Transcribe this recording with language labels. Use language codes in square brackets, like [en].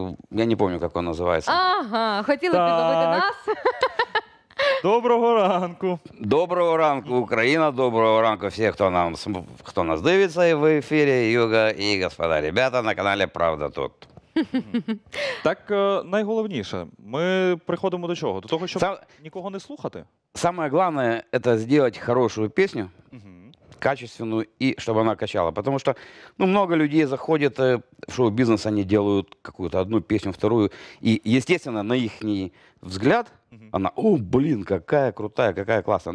[ru] Я не помню, как он называется. Ага, хотели приловить нас. [uk] Доброго ранку. Доброго ранку, Украина. Доброго ранку [ru] все, кто нас дивится в эфире, Юга и господа ребята на канале «Правда тут». [uk] Так, найголовніше, ми приходимо до чого? До того, щоб нікого не слухати? [ru] Самое главное – это сделать хорошую песню. Качественную, и чтобы она качала. Потому что ну, много людей заходит в шоу-бизнес, они делают какую-то одну песню, вторую. И, естественно, на их взгляд она, о, блин, какая крутая, какая классная.